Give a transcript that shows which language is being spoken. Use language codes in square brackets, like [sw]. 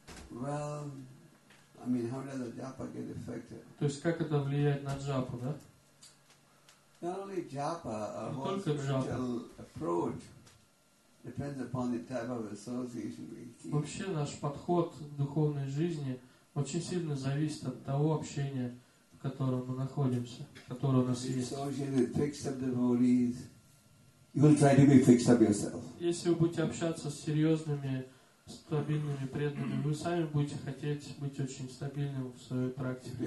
[en] Well, I mean, how does the japa get affected? [ru] То есть как это влияет на джапу, да? [en] Not only japa, a whole spiritual approach depends upon the type of association we keep. [ru] Вообще наш подход к духовной жизни очень сильно зависит от того общения, в котором мы находимся, которое у нас есть. [en] Associated with fixed up devotees, you'll try to be fixed up yourself. [ru] Если вы будете общаться с серьезными стабильными преданными, вы сами будете хотеть быть очень стабильным в своей практике.